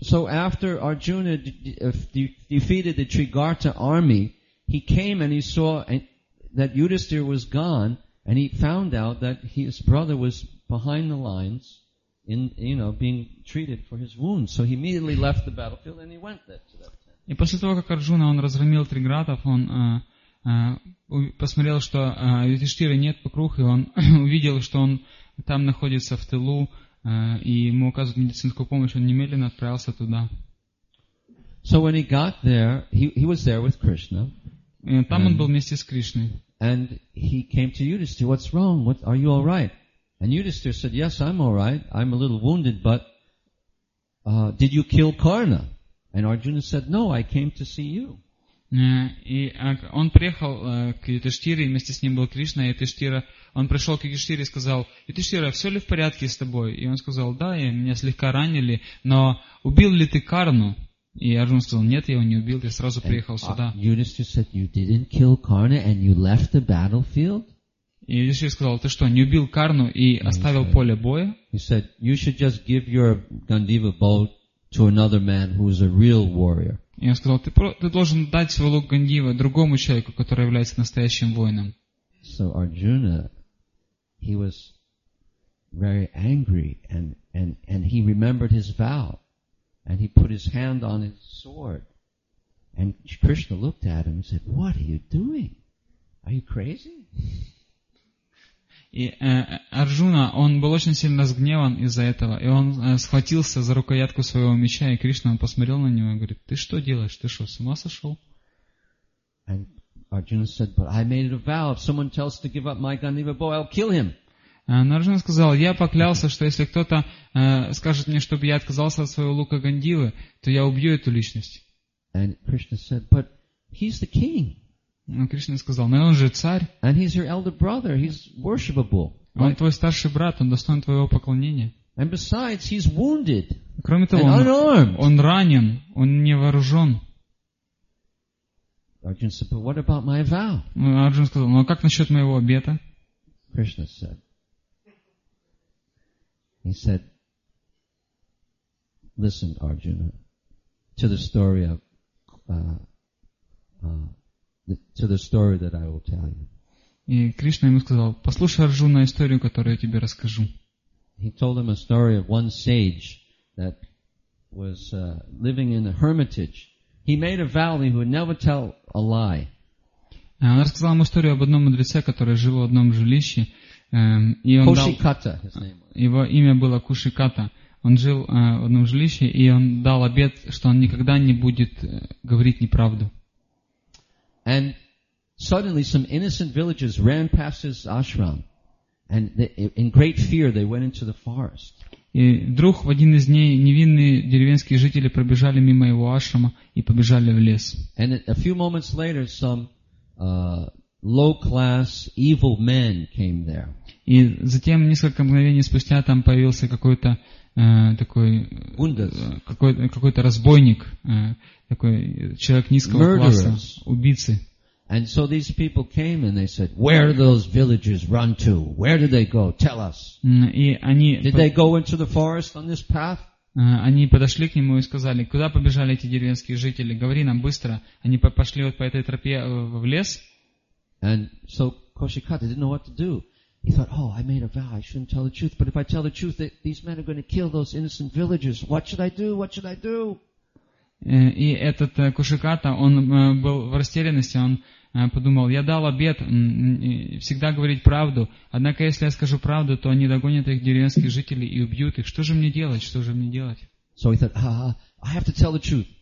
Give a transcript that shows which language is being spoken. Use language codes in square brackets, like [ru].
[en] So after Arjuna defeated the Trigartha army, he came and he saw that Yudhisthira was gone, and he found out that his brother was behind the lines. Being treated for his wounds, so he immediately left the battlefield and he went there to that tent. [ru] И после того, как Арджуна он разгромил триградов, он посмотрел, что Юдхиштхира нет вокруг, и он увидел, что он там находится в тылу, и ему оказывают медицинскую помощь, он немедленно отправился туда. [en] So when he got there, he was there with Krishna. [ru] Там он был вместе с Кришной. [en] And he came to Yudhisthira. What's wrong? What are you all right? And Yudhisthira said, "Yes, I'm all right. I'm a little wounded, but did you kill Karna?" And Arjuna said, "No, I came to see you." [ru] И он приехал к Юдхиштхире, вместе с ним был Кришна, и Юдхиштхира, он пришел к Юдхиштхире и сказал, Юдхиштхира, все ли в порядке с тобой? И он сказал, да, и меня слегка ранили, но убил ли ты Карну? И Арджуна сказал, нет, я его не убил, я сразу приехал сюда. [en] Юдхиштхира said, "You didn't kill Karna, and you left the battlefield?" [ru] И Юдхиштхира сказал, ты что, не убил Карну и оставил поле боя? [en] He said, you should just give your Gandiva bow to another man who is a real warrior. [ru] И он сказал, ты должен дать свой лук Гандива другому человеку, который является настоящим воином. [en] So Arjuna, he was very angry and he remembered his vow. And he put his hand on his sword. And Krishna looked at him and said, what are you doing? Are you crazy? [ru] И Арджуна, он был очень сильно разгневан из-за этого, и он схватился за рукоятку своего меча, и Кришна посмотрел на него и говорит, ты что делаешь, ты что, с ума сошел? [en] And Arjuna said, but I made it a vow. If someone tells to give up my Gandiva bow, I'll kill him. [ru] Но Арджуна сказал, я поклялся, что если кто-то скажет мне, чтобы я отказался от своего лука Гандивы, то я убью эту личность. [en] And Krishna said, but he's the king. [ru] Но Кришна сказал, но он же царь. [en] And he's your elder brother. He's worshipable. Right? [ru] Он твой старший брат, он достоин твоего поклонения. [en] And besides, he's wounded. [ru] Кроме того, он ранен, он не вооружен. [en] Arjuna said, but what about my vow? [ru] Арджуна сказал, ну а как насчет моего обета? [en] Krishna said, he said, listen, Arjuna, to the story of to the story that I will tell you. [ru] И Кришна ему сказал, послушай, Арджуна, историю, которую я тебе расскажу. [en] He told him a story of one sage that was living in a hermitage. He made a vow that he would never tell a lie. [ru] Он рассказал ему историю об одном мудреце, который жил в одном жилище. Кушиката, его имя было Кушиката. Он жил в одном жилище, и он дал обет, что он никогда не будет говорить неправду. [en] And suddenly some innocent villagers ran past his ashram, and in great fear they went into the forest. [ru] И вдруг в один из дней невинные деревенские жители пробежали мимо его ашрама и побежали в лес. [en] And a few moments later some low-class evil men came there. [ru] И затем несколько мгновений спустя там появился какой-то такой какой-то разбойник, такой человек низкого класса, убийцы. [en] And so these people came and they said, "Where do those villagers run to? Where do they go? Tell us." Did they go into the forest on this path? [ru] Они подошли к нему и сказали, куда побежали эти деревенские жители? Говори нам быстро. Они пошли вот по этой тропе в лес. [en] And so Кошиката didn't know what to do. He thought, "Oh, I made a vow. I shouldn't tell the truth. But if I tell the truth, these men are going to kill those innocent villagers. What should I do? What should I do?" [ru] И этот Кушиката, он был в растерянности, он подумал, я дал обет всегда говорить правду, однако если я скажу правду, то они догонят их деревенских жителей и убьют их. Что же мне делать? Что же мне делать? [en] So he thought, I have to tell the truth.